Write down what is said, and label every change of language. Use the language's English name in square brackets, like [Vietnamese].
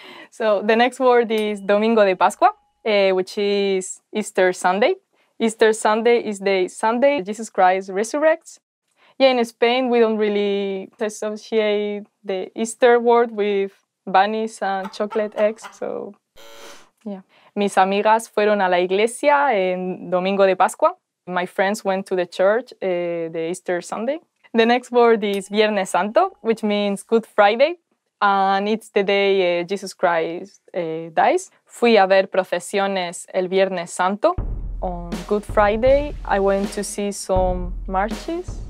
[English] So the next word is Domingo de Pascua, which is Easter Sunday. Easter Sunday is the Sunday Jesus Christ resurrects. Yeah, in Spain, we don't really associate the Easter word with bunnies and chocolate eggs, so yeah. [Spanish] Mis amigas fueron a la iglesia en Domingo de Pascua. [English] My friends went to the church the Easter Sunday. The next word is Viernes Santo, which means Good Friday, and it's the day Jesus Christ dies. [Spanish] Fui a ver procesiones el Viernes Santo. [English] On Good Friday, I went to see some marches.